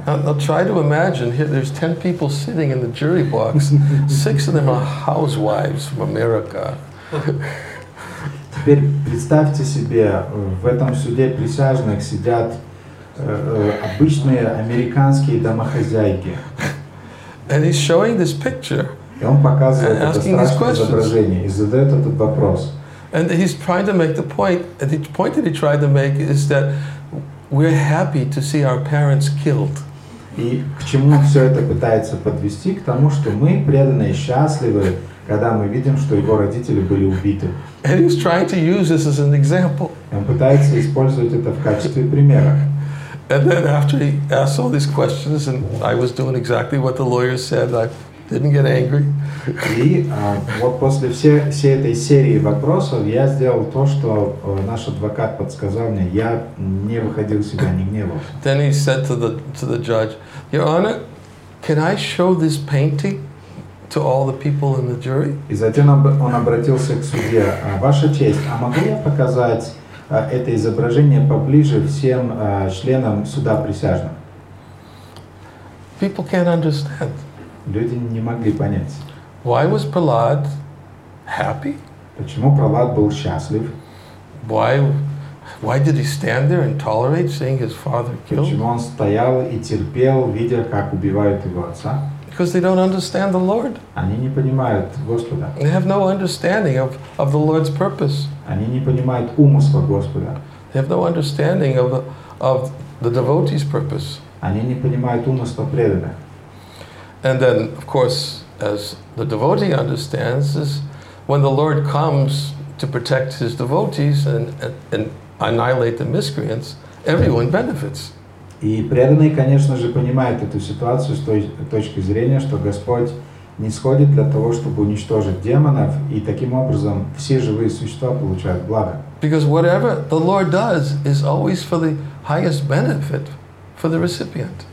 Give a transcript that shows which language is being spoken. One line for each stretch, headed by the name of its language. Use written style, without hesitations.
English: Now try to imagine, here there's 10 people sitting in the jury box, 6 of them are housewives from America.
Russian: Теперь представьте себе, в этом суде присяжных сидят обычные американские домохозяйки.
English: And he's showing this picture.
Russian: И он показывает это страшное изображение и задает этот вопрос.
English: And he's trying to make the point, and the point that he tried to make is that we're happy to see our parents killed.
Russian: И к чему все это пытается подвести? К тому, что мы преданные счастливы, когда мы видим, что его родители были убиты.
English: And he's trying to use this as an example.
Russian: И он пытается использовать это в качестве примера.
English: And then after he asked all these questions, and I was doing exactly what the lawyer said, I didn't get angry.
Russian: И вот после всей этой серии вопросов я сделал то, что наш адвокат подсказал мне. Я не выходил из себя, не гневался.
English: Then he said to the judge, Your Honor, can I show this painting to all the people in the jury?
Russian: И затем он обратился к судье. Ваша честь, а могу я показать это изображение поближе всем членам суда присяжным?
English: People can't understand.
Russian: Люди не могли понять.
English: Why was Prahlad happy?
Russian: Почему Прохлад был счастлив?
English: Why did he stand there and tolerate seeing his father killed?
Russian: Почему он стоял и терпел, видя, как убивают его отца?
English: Because they don't understand the Lord.
Russian: Они не понимают Господа.
English: They have no understanding of the Lord's purpose.
Russian: Они не понимают умысла Господа.
English: They have no understanding of the devotee's purpose.
Russian: Они не понимают умысла преданного.
English: And then, of course, as the devotee understands, is when the Lord comes to protect his devotees and annihilate the miscreants, everyone benefits.
Russian: И преданный, конечно же, понимает эту ситуацию с той точки зрения, что Господь нисходит для того, чтобы уничтожить демонов, и таким образом все живые существа получают благо.
English: Because whatever the Lord does is always for the highest benefit for the recipient.